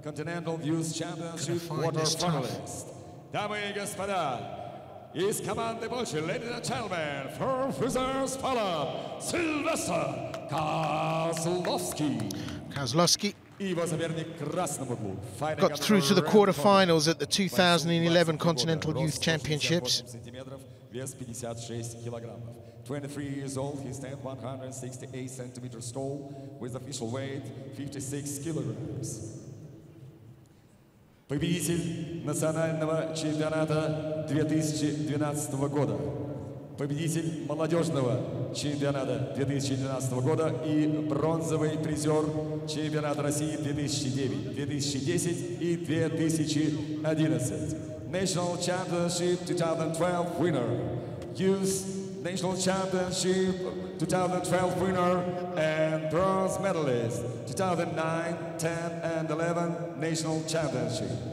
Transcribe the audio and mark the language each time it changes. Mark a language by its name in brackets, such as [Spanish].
[English] Continental Youth Championship quarterfinalist. [Russian] Дамы и господа, из команды Польши, [English] ladies and gentlemen, for Hussars Poland, Sylwester Kozlowski. Kozlowski. [Russian] Его соперник красному углу. [English] Got through to the quarterfinals at the 2011 Continental Youth Championships. [Russian] 56 килограммов. [English] 23 years old, he stands 168 centimeters tall, with official weight 56 kilograms. [Russian] Победитель национального чемпионата 2012 года, победитель молодежного чемпионата 2012 года и бронзовый призер чемпионата России 2009, 2010 и 2011. [English] National Championship 2012 winner, Youth National Championship 2012 winner and bronze medalist 2009, 10 and 11 National Championship.